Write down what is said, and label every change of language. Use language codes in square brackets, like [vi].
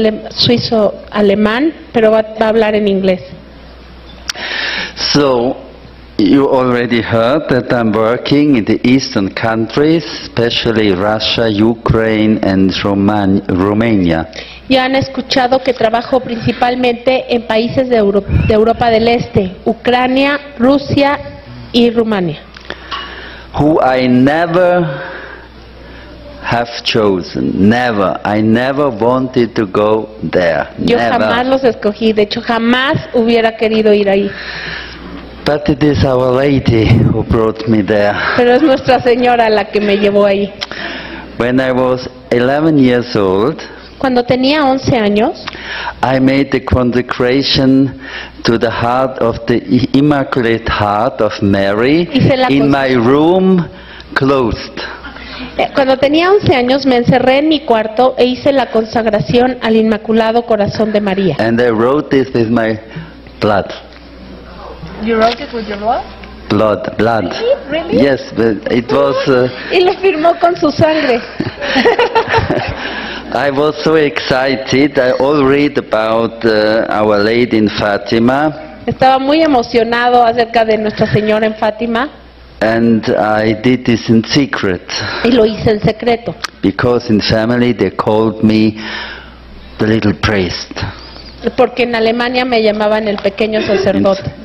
[es] Suizo alemán, pero va a hablar en inglés. [en] So, you already heard that I'm working in the eastern countries, especially Russia, Ukraine, and Romania. [es] Ya han escuchado que trabajo principalmente en países de Europa del Este, Ucrania, Rusia y Rumania. [en] Who I never have chosen, never. I never wanted to go there. [es] Yo [en] never. [es] Jamás los escogí. De hecho, jamás hubiera querido ir ahí. [en] But it is Our Lady who brought me there. [es] Pero es Nuestra Señora la que me llevó ahí. [en] When I was 11 years old. [es] Cuando tenía 11 años, [en] I made the consecration to the heart of the Immaculate Heart of Mary in my room closed. [es] Cuando tenía 11 años me encerré en mi cuarto e hice la consagración al Inmaculado Corazón de María. [en] And I wrote this with my blood. You wrote it with your blood? Blood. Really? Yes, but it was [es] y lo firmó con su sangre. [en] I was so excited. I all read about Our Lady in Fatima. [es] Estaba muy emocionado acerca de Nuestra Señora en Fátima. [en] And I did this in secret. [es] Y lo hice en secreto. [en] Because in family they called me the little priest. [es] Porque en Alemania me llamaban el pequeño sacerdote.